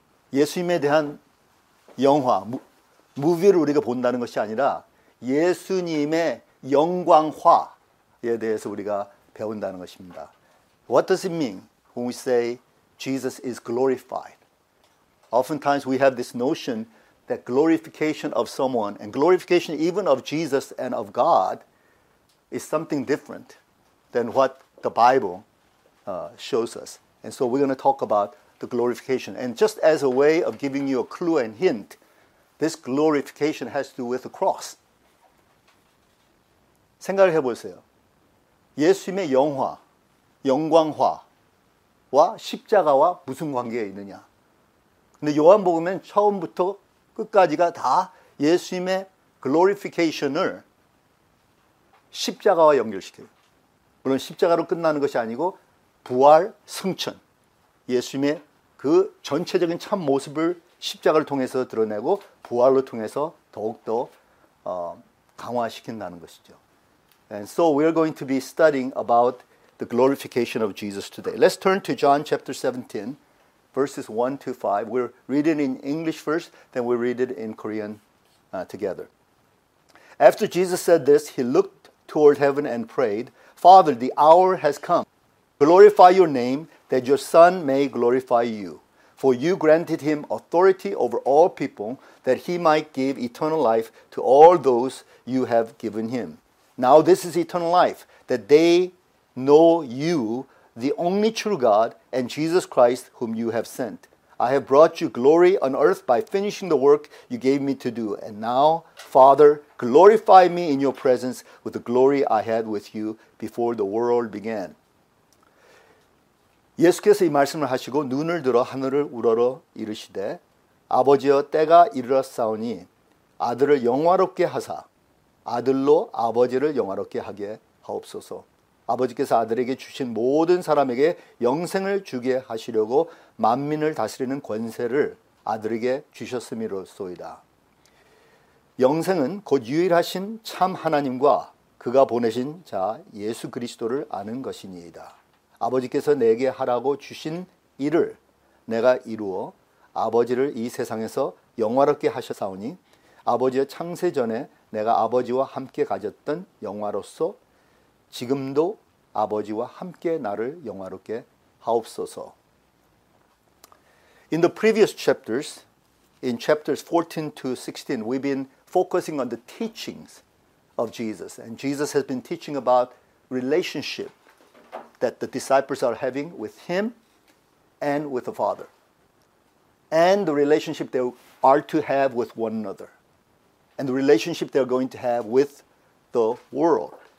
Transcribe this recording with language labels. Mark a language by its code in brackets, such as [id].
[ko] 예수님에 대한 영화, 무비를 우리가 본다는 것이 아니라 예수님의 영광화에 대해서 우리가 배운다는 것입니다. [en] What does it mean when we say Jesus is glorified? Oftentimes we have this notion that glorification of someone and glorification even of Jesus and of God is something different than what the Bible shows us. And so we're going to talk about the glorification. And just as a way of giving you a clue and hint, this glorification has to do with the cross. [ko] 생각을 해보세요. 예수님의 영화, 영광화와 십자가와 무슨 관계가 있느냐? 근데 요한복음은 처음부터 끝까지가 다 예수님의 glorification을 십자가와 연결시켜요. 물론 십자가로 끝나는 것이 아니고 부활, 승천, 예수님의 그 전체적인 참 모습을 십자가를 통해서 드러내고 부활로 통해서 더욱더 강화시킨다는 것이죠. [en] And so we are going to be studying about the glorification of Jesus today. Let's turn to John chapter 17, verses 1 to 5. We'll read it in English first, then we'll read it in Korean together. After Jesus said this, he looked toward heaven and prayed, Father, the hour has come. Glorify your name, that your Son may glorify you. For you granted him authority over all people, that he might give eternal life to all those you have given him. Now this is eternal life, that they know you, the only true God, and Jesus Christ, whom you have sent. I have brought you glory on earth by finishing the work you gave me to do. And now, Father, glorify me in your presence with the glory I had with you before the world began. [ko] 예수께서 이 말씀을 하시고 눈을 들어 하늘을 우러러 이르시되 아버지여 때가 이르렀사오니 아들을 영화롭게 하사 아들로 아버지를 영화롭게 하게 하옵소서. 아버지께서 아들에게 주신 모든 사람에게 영생을 주게 하시려고 만민을 다스리는 권세를 아들에게 주셨음이로소이다. 영생은 곧 유일하신 참 하나님과 그가 보내신 자 예수 그리스도를 아는 것이니이다. 아버지께서 내게 하라고 주신 일을 내가 이루어 아버지를 이 세상에서 영화롭게 하셨사오니 아버지의 창세 전에 내가 아버지와 함께 가졌던 영화로서 지금도 아버지와 함께 나를 영화롭게 하옵소서. [en] In the previous chapters, in chapters 14 to 16, we've been focusing on the teachings of Jesus. And Jesus has been teaching about relationship that the disciples are having with him and with the Father, and the relationship they are to have with one another, and the relationship they are going to have with the world.